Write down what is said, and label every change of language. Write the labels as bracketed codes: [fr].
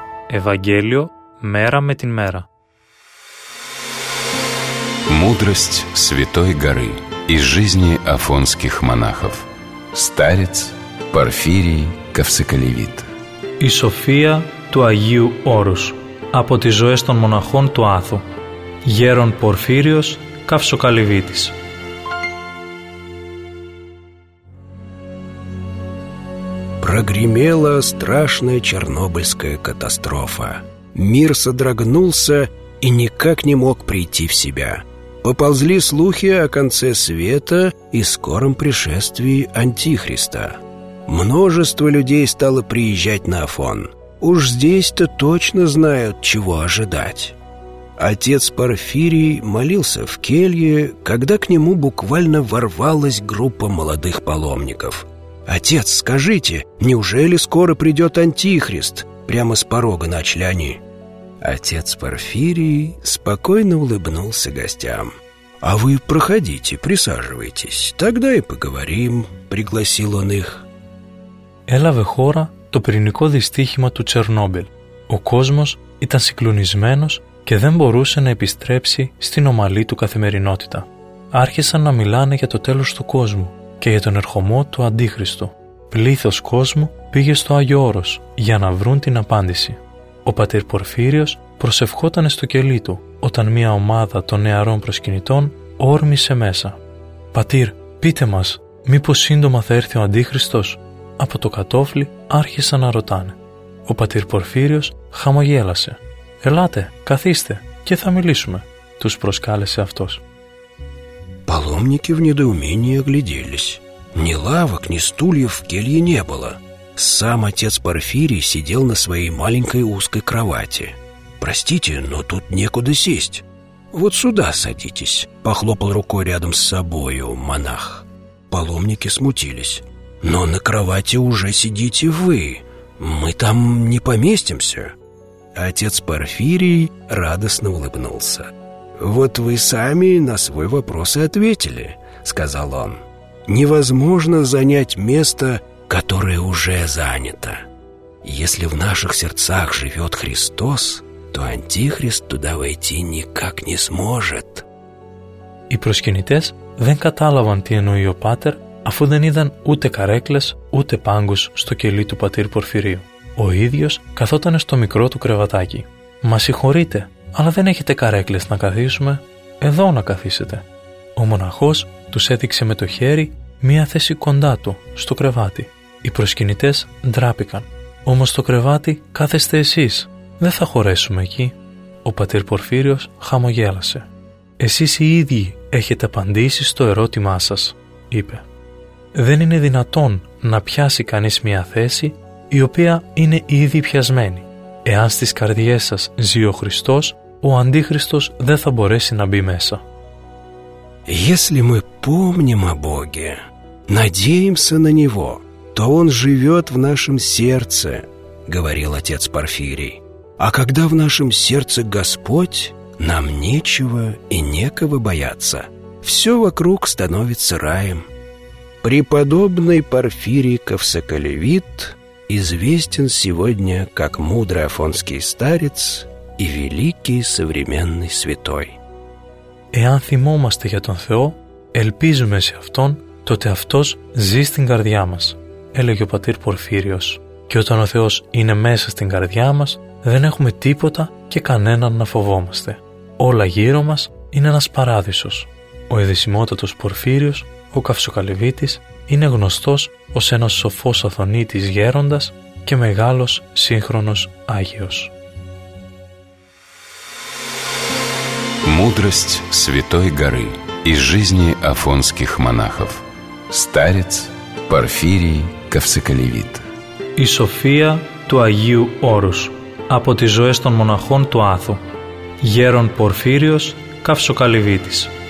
[ru] Евангелие мера με την мера. Мудрость Святой Горы из жизни афонских монахов. Старец Порфирий Ковсоколевит. [el] Η σοφία του Αγίου Όρους από τις ζωές των μοναχών του Άθου. Γέρον Πορφύριος Καυσοκαλυβίτης. [ru] Прогремела страшная чернобыльская катастрофа. Мир содрогнулся и никак не мог прийти в себя. поползли слухи о конце света и скором пришествии Антихриста. Множество людей стало приезжать на Афон. Уж здесь-то точно знают, чего ожидать. Отец Порфирий молился в келье, когда к нему буквально ворвалась группа молодых паломников. «Отец, скажите, неужели скоро придет Антихрист?» Прямо с порога начали они. Отец Порфирий спокойно улыбнулся гостям. «А вы проходите, присаживайтесь, тогда и поговорим», — пригласил он их. [el] Έλαβε χώρα το πυρηνικό δυστύχημα του Τσερνόμπιλ. Ο κόσμος ήταν συγκλονισμένος και δεν μπορούσε να επιστρέψει στην ομαλή του καθημερινότητα. Άρχισαν να μιλάνε για το τέλος του κόσμου και για τον ερχομό του Αντίχριστου. Πλήθος κόσμου πήγε στο Άγιο Όρος για να βρουν την απάντηση. Ο πατήρ Πορφύριος προσευχόταν στο κελί του όταν μια ομάδα των νεαρών προσκυνητών όρμησε μέσα. «Πατήρ, πείτε μας, μήπως σύντομα θα έρθει ο Αντίχριστος?» Από το κατόφλι άρχισαν να ρωτάνε. Ο πατήρ Πορφύριος χαμογέλασε. «Ελάτε, καθίστε και θα μιλήσουμε», τους προσκάλεσε αυτός. [ru] Паломники в недоумении огляделись. Ни лавок, ни стульев в келье не было. Сам отец Порфирий сидел на своей маленькой узкой кровати. «Простите, но тут некуда сесть. Вот сюда садитесь», — похлопал рукой рядом с собою монах. Паломники смутились. «Но на кровати уже сидите вы. Мы там не поместимся». Отец Порфирий радостно улыбнулся. «Вот вы сами на свой вопрос и ответили», — сказал он. «Невозможно занять место, которое уже занято. Если в наших сердцах живет Христос, то Антихрист туда войти никак не сможет». [el] И проскинитес δεν καταλαβαν τι εννοεί ο πάτερ, αφού δεν είδαν ούτε καρέκλες ούτε πάγκους στο κελί του πατήρ Πορφυρίου. Ο ίδιος καθόταν στο μικρό του κρεβατάκι. «Μα συγχωρείτε, αλλά δεν έχετε καρέκλες να καθίσουμε. Εδώ να καθίσετε». Ο μοναχός τους έδειξε με το χέρι μία θέση κοντά του, στο κρεβάτι. Οι προσκυνητές ντράπηκαν. «Όμως το κρεβάτι κάθεστε εσείς. Δεν θα χωρέσουμε εκεί». Ο πατήρ Πορφύριος χαμογέλασε. «Εσείς οι ίδιοι έχετε απαντήσει στο ερώτημά σας», είπε. «Δεν είναι δυνατόν να πιάσει κανείς μία θέση η οποία είναι ήδη πιασμένη. Εάν στις καρδιές σας ζει ο Χριστός, ο Αντίχριστος δεν θα μπορέσει να μπει μέσα». [ru] «Если мы помним о Боге, надеемся на Него, то Он живет в нашем сердце», — говорил отец Порфирий. «А когда в нашем сердце Господь, нам нечего и некого бояться. Все вокруг становится раем». Преподобный Порфирий Ковсоколевит известен сегодня как мудрый афонский старец и великий современный святой. [el] «Εάν θυμόμαστε για τον Θεό, ελπίζουμε σε Αυτόν, τότε Αυτός ζει στην καρδιά μας», έλεγε ο πατήρ Πορφύριος. «Και όταν ο Θεός είναι μέσα στην καρδιά μας, δεν έχουμε τίποτα και κανέναν να φοβόμαστε. Όλα γύρω μας είναι ένας παράδεισος». Ο ειδησιμότατος Πορφύριος, ο Καυσοκαλυβίτης, είναι γνωστός ως ένας σοφός αθωνίτης γέροντας και μεγάλος σύγχρονος Άγιος. [ru] Мудрость Святой Горы из жизни афонских монахов. Старец Порфирий Ковсоколевит. [el] И София του Αγίου Όρους. Από τις ζωές των μοναχών του Άθου. Γέρον Πορφύριος Ковσοκαλυβίτης.